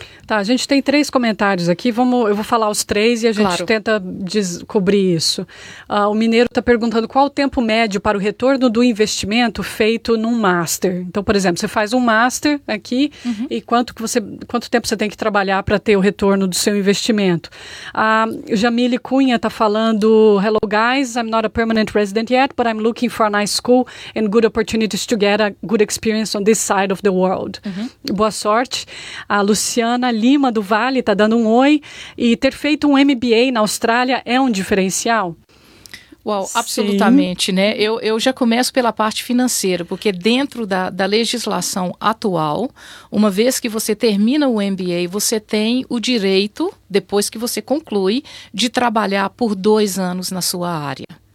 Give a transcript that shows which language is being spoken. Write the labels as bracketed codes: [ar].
[pt] Tá, a gente tem três comentários aqui, eu vou falar os três e a gente tenta descobrir isso. O Mineiro está perguntando qual o tempo médio para o retorno do investimento feito num master. Então, por exemplo, você faz um master aqui e quanto tempo você tem que trabalhar para ter o retorno do seu investimento? A Jamile Cunha está falando: [en] Hello guys, I'm not a permanent resident yet, but I'm looking for a nice school and good opportunities to get a good experience on this side of the world. [pt] Boa sorte. A Luciana Lima do Vale está dando um oi. E ter feito um MBA na Austrália é um diferencial? Uau, absolutamente, né? Eu já começo pela parte financeira, porque dentro da legislação atual, uma vez que você termina o MBA, você tem o direito, depois que você conclui, de trabalhar por 2 anos na sua área.